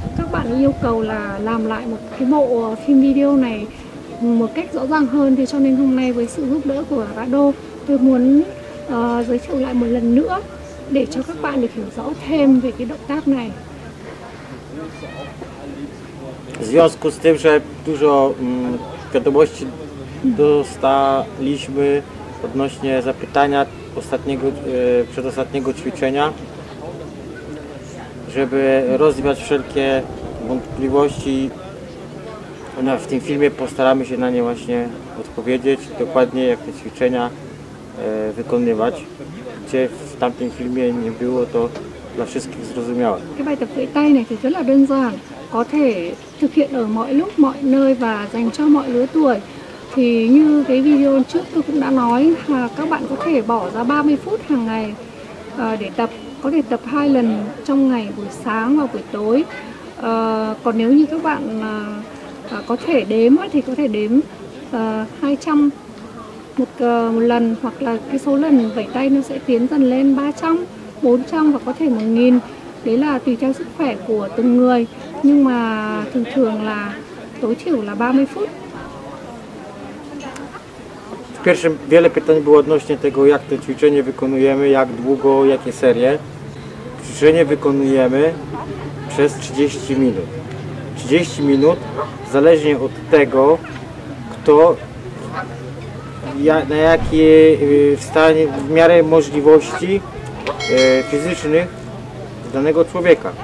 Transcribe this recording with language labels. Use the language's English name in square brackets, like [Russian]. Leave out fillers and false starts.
[Vietnamese] Các bạn yêu cầu là làm lại một cái bộ phim video này một cách rõ ràng hơn. Thì cho nên hôm nay với sự giúp đỡ của Rado, tôi muốn giới thiệu lại một lần nữa để cho các bạn được hiểu rõ thêm về cái động tác này. [Polish] W związku z tym, że dużo wiadomości dostaliśmy odnośnie zapytania ostatniego, przedostatniego ćwiczenia, żeby rozwiać wszelkie wątpliwości, w tym filmie postaramy się na nie właśnie odpowiedzieć dokładnie, jak te ćwiczenia wykonywać. Gdzie w tamtym filmie nie było to dla wszystkich zrozumiałe. [Vietnamese] Cái bài tập vẫy tay này thì rất là đơn giản, có thể thực hiện ở mọi lúc, mọi nơi và dành cho mọi lứa tuổi. Thì như cái video trước tôi cũng đã nói là các bạn có thể bỏ ra 30 phút hàng ngày để tập, có thể tập 2 lần trong ngày, buổi sáng và buổi tối. Còn nếu như các bạn có thể đếm thì có thể đếm 200 một lần, hoặc là cái số lần vẩy tay nó sẽ tiến dần lên 300, 400 và có thể 1000. Đấy là tùy theo sức khỏe của từng người, nhưng mà thường thường là tối thiểu là 30 phút. [Polish] Pierwszym wiele pytań było odnośnie tego, jak to ćwiczenie wykonujemy, jak długo, jakie serie. Ćwiczenie wykonujemy przez 30 minut. 30 minut zależnie od tego, kto na jakie stanie, w miarę możliwości fizycznych danego człowieka.